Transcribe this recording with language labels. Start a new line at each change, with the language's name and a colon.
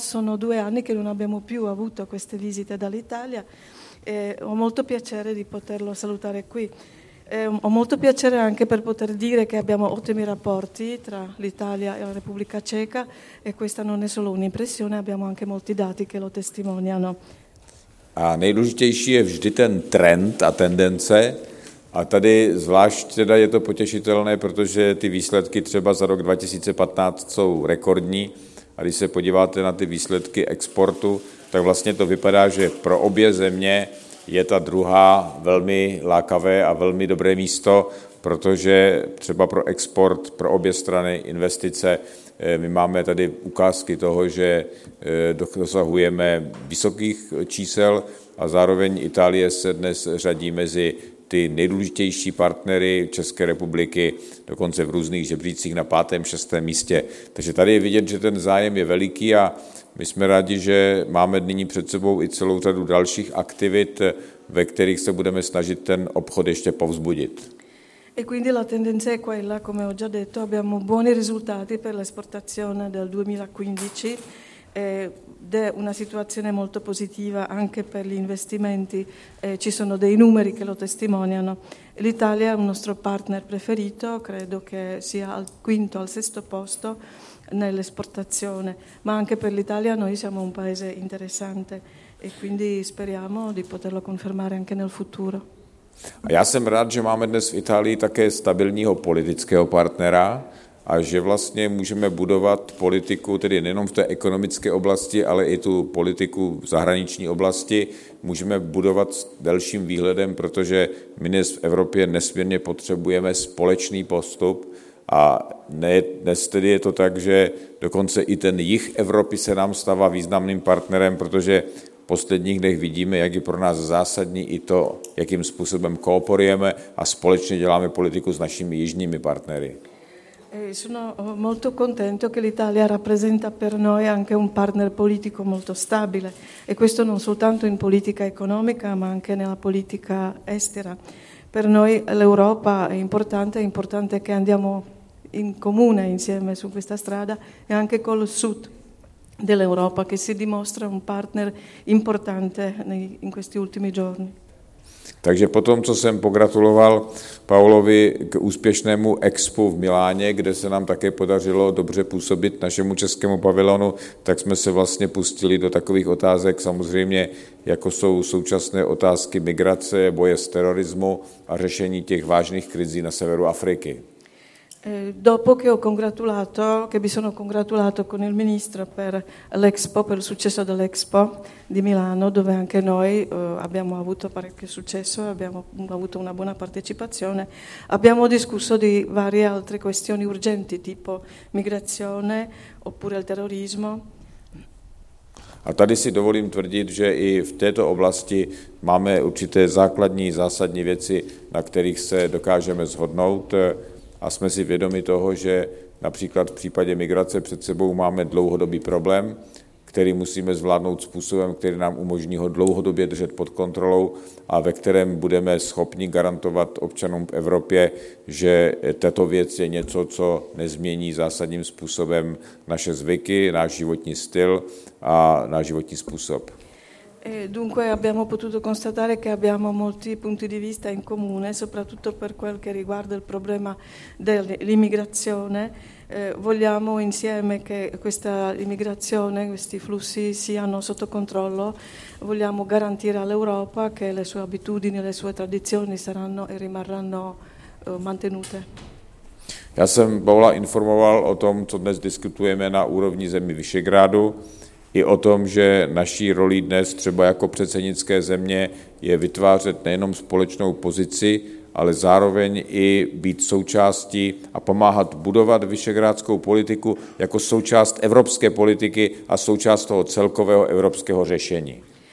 Italian: Sono due anni che non abbiamo più avuto queste visite dall'Italia e ho molto piacere di poterlo salutare qui. Ho molto piacere anche per poter dire che abbiamo ottimi rapporti tra l'Italia e la Repubblica Ceca, e questa non è solo un'impressione, abbiamo anche molti dati che lo testimoniano.
Czech: A nejdůležitější je vždy ten trend a tendence, a tady zvlášť teda je to potěšitelné, protože ty výsledky třeba za rok 2015 jsou rekordní, a když se podíváte na ty výsledky exportu, tak vlastně to vypadá, že pro obě země je ta druhá velmi lákavé a velmi dobré místo, protože třeba pro export, pro obě strany investice, my máme tady ukázky toho, že dosahujeme vysokých čísel, a zároveň Itálie se dnes řadí mezi ty nejdůležitější partnery České republiky, dokonce v různých žebřících na 5., 6. místě. Takže tady je vidět, že ten zájem je veliký, a my jsme rádi, že máme nyní před sebou i celou řadu dalších aktivit, ve kterých se budeme snažit ten obchod ještě povzbudit.
Italian: E quindi la tendenza è quella, come ho già detto, abbiamo buoni risultati per l'esportazione del 2015. Ed è una situazione molto positiva anche per gli investimenti, ci sono dei numeri che lo testimoniano. L'Italia è un nostro partner preferito, credo che sia al 5., 6. Posto nell'esportazione, ma anche per l'Italia noi siamo un paese interessante e quindi speriamo di poterlo confermare anche nel futuro.
Czech: A já jsem rád, že máme dnes v Itálii také stabilního politického partnera, a že vlastně můžeme budovat politiku, tedy nejenom v té ekonomické oblasti, ale i tu politiku v zahraniční oblasti, můžeme budovat s delším výhledem, protože my dnes v Evropě nesmírně potřebujeme společný postup. A dnes tedy je to tak, že dokonce i ten jih Evropy se nám stává významným partnerem, protože v posledních dnech vidíme, jak je pro nás zásadní i to, jakým způsobem kooperujeme a společně děláme politiku s našimi jižními partnery.
Italian: Sono molto contento che l'Italia rappresenta per noi anche un partner politico molto stabile, e questo non soltanto in politica economica ma anche nella politica estera. Per noi l'Europa è importante che andiamo in comune insieme su questa strada, e anche con il sud dell'Europa che si dimostra un partner importante in questi ultimi giorni.
Czech: Takže po tom, co jsem pogratuloval Paolovi k úspěšnému expu v Miláně, kde se nám také podařilo dobře působit našemu českému pavilonu, tak jsme se vlastně pustili do takových otázek, samozřejmě jako jsou současné otázky migrace, boje s terorismu a řešení těch vážných krizí na severu Afriky.
Italian: Dopo che ho congratulato, che mi sono congratulato con il ministro per l'Expo, per il successo dell'Expo di Milano, dove anche noi abbiamo avuto parecchio successo, abbiamo avuto una buona partecipazione, abbiamo discusso di varie altre questioni urgenti, tipo migrazione oppure il terrorismo.
Czech: A tady si dovolím tvrdit, že i v této oblasti máme určité základní, zásadní věci, na kterých se dokážeme shodnout. A jsme si vědomi toho, že například v případě migrace před sebou máme dlouhodobý problém, který musíme zvládnout způsobem, který nám umožní ho dlouhodobě držet pod kontrolou a ve kterém budeme schopni garantovat občanům v Evropě, že tato věc je něco, co nezmění zásadním způsobem naše zvyky, náš životní styl a náš životní způsob.
Italian: E dunque abbiamo potuto constatare che abbiamo molti punti di vista in comune, soprattutto per quel che riguarda il problema dell'immigrazione. Vogliamo insieme che questa immigrazione, questi flussi siano sotto controllo, vogliamo garantire all'Europa che le sue abitudini e le sue tradizioni saranno e rimarranno mantenute.
Czech: Já jsem Paula informoval o tom, co dnes diskutujeme na úrovni zemi Vyšegrádu, i o tom, že naší roli dnes třeba jako předsednické země je vytvářet nejenom společnou pozici, ale zároveň i být součástí a pomáhat budovat vyšegrádskou politiku jako součást evropské politiky a součást toho celkového evropského řešení.